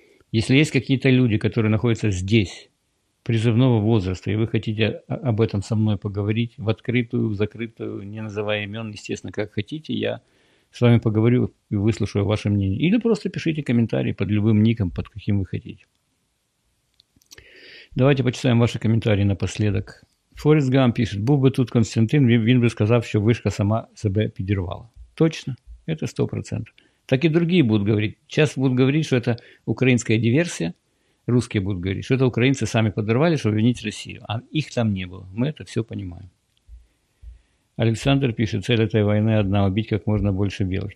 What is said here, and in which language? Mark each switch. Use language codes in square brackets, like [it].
[ru] Если есть какие-то люди, которые находятся здесь, призывного возраста, и вы хотите об этом со мной поговорить в открытую, в закрытую, не называя имен, естественно, как хотите, я с вами поговорю и выслушаю ваше мнение. Или просто пишите комментарии под любым ником, под каким вы хотите. Давайте почитаем ваши комментарии напоследок. [uk] Форест Гам пишет, [ru] был бы тут Константин, [uk] він би сказав, що вишка сама себе підірвала. [ru] Точно, это 100%. Так и другие будут говорить. Сейчас будут говорить, что это украинская диверсия. Русские будут говорить, что это украинцы сами подорвали, чтобы винить Россию. А их там не было. Мы это все понимаем. Александр пишет, цель этой войны одна – убить как можно больше белых.